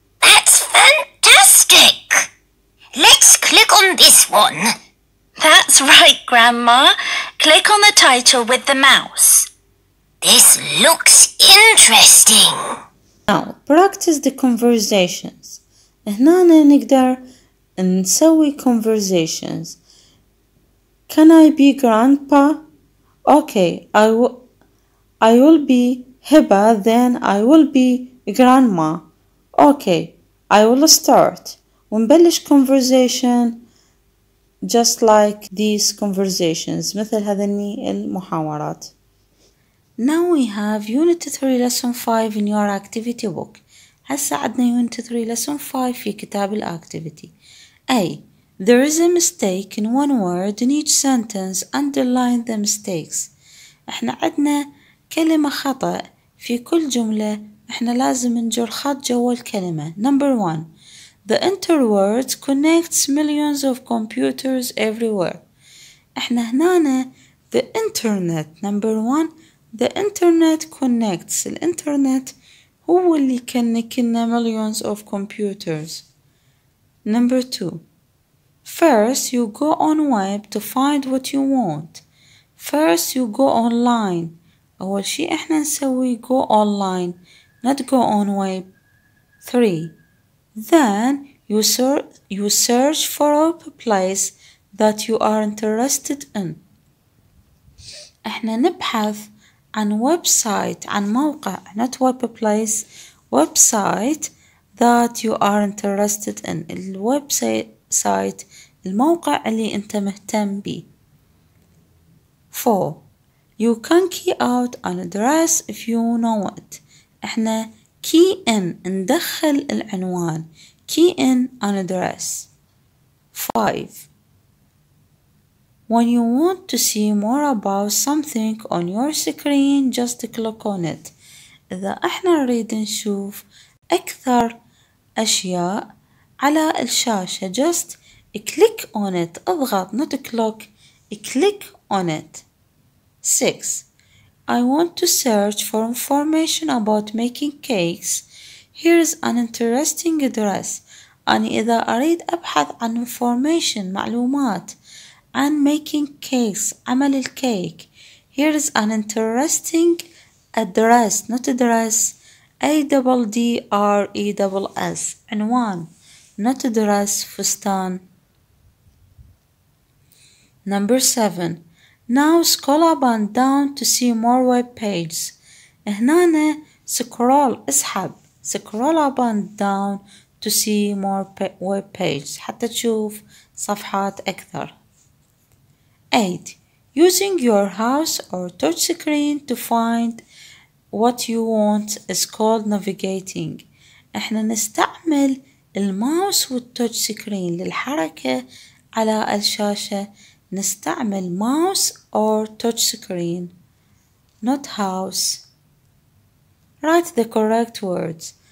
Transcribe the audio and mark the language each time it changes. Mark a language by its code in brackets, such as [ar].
[en] That's fantastic! Let's click on this one. That's right, Grandma. Click on the title with the mouse. This looks interesting. Now, practice the conversations. [ar] هنا نقدر نسوي conversations. [en] Can I be Grandpa? Okay, I will be Hiba, then I will be grandma. Okay, I will start. [ar] ونبلش [en] conversation just like these conversations. [ar] مثل هذني المحاورات. [en] Now we have Unit 3 Lesson 5 in your activity book. [ar] هسا عدنا Unit 3 Lesson 5 في كتاب الactivity. [en] A. There is a mistake in one word in each sentence. Underline the mistakes. [ar] احنا عدنا كلمة خطأ في كل جملة احنا لازم نجر خط جوا الكلمة. [en] Number one, the interword connects millions of computers everywhere. [ar] احنا هنا [en] the internet. Number one, the internet connects. [ar] الانترنت هو اللي كنكنا [en] millions of computers. Number two, first you go on web to find what you want. First you go online. [ar] أول شيء إحنا نسوي [en] go online, not go on web. 3. Then you search for a place that you are interested in. [ar] إحنا نبحث عن ويب سايت عن موقع [en] not web place [ar] ويب سايت [en] that you are interested in [ar] الويب سايت الموقع اللي انت مهتم به. [en] 4. You can key out an address if you know it. احنا key in [ar] ندخل العنوان [en] key in an address. 5. When you want to see more about something on your screen, just click on it. [ar] إذا احنا نريد نشوف أكثر أشياء على الشاشة [en] just click on it. [ar] اضغط [en] not click click on it. 6. I want to search for information about making cakes. Here's an interesting address. [ar] أني إذا أريد أبحث عن information معلومات عن [en] making cakes [ar] عمل الكيك. [en] Here's an interesting address not address address [ar] عنوان [en] not address [ar] فستان. [en] Number 7. Now scroll up and down to see more web pages. هنا scroll [ar] اسحب [en] scroll up and down to see more web pages [ar] حتى تشوف صفحات أكثر. [en] 8. Using your house or touch screen to find what you want is called navigating. [ar] احنا نستعمل الماوس والتوتش سكرين للحركة على الشاشة. نستعمل ماوس [en] or touch screen not house. Write the correct words.